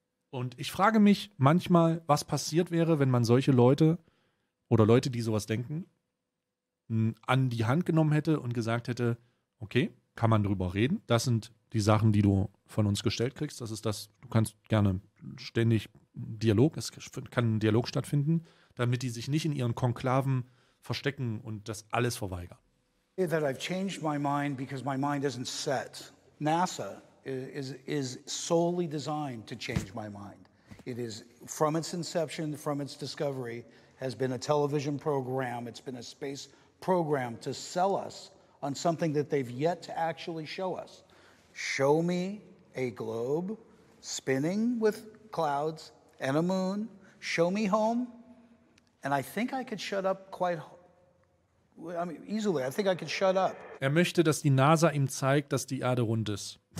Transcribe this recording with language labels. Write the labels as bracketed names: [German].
[German] Und ich frage mich manchmal, was passiert wäre, wenn man solche Leute oder Leute, die sowas denken, an die Hand genommen hätte und gesagt hätte, okay, kann man drüber reden, das sind die Sachen, die du von uns gestellt kriegst, das ist das, du kannst gerne ständig Dialog, es kann ein Dialog stattfinden, damit die sich nicht in ihren Konklaven verstecken und das alles verweigern. [English] That I've changed my mind because my mind isn't set. NASA is solely designed to change my mind. It is from its inception, from its discovery, has been a television program, it's been a space program to sell us on something that they've yet to actually show us. Show me a globe spinning with clouds and a moon. Show me home, and I think I could shut up easily. I think I could shut up. [German] Er möchte, dass die NASA ihm zeigt, dass die Erde rund ist.